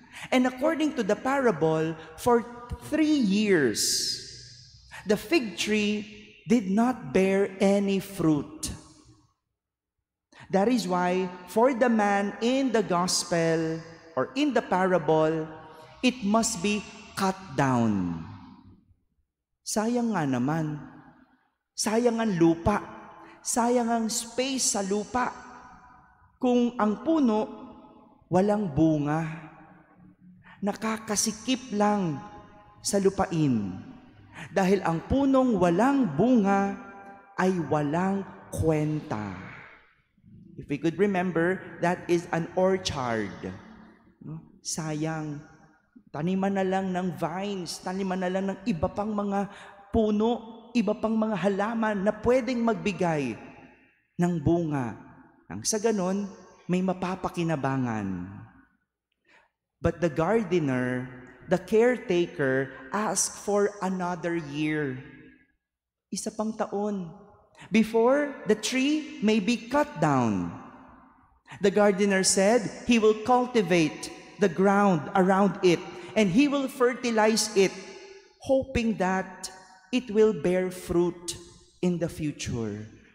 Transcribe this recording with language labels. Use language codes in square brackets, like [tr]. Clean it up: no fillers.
[en] And according to the parable, for 3 years, the fig tree did not bear any fruit. That is why, for the man in the gospel or in the parable, it must be cut down. [tl] Sayang nga naman. Sayang ang lupa. Sayang ang space sa lupa. Kung ang puno, walang bunga. Nakakasikip lang sa lupain. Dahil ang punong walang bunga ay walang kwenta. [en] If we could remember, that is an orchard. [tl] Sayang. Taniman na lang ng vines, taniman na lang ng iba pang mga puno, iba pang mga halaman na pwedeng magbigay ng bunga. Nang sa ganon, may mapapakinabangan. [en] But the gardener, the caretaker, asked for another year. [tl] Isa pang taon. [en] Before the tree may be cut down. The gardener said he will cultivate the ground around it and he will fertilize it, hoping that it will bear fruit in the future.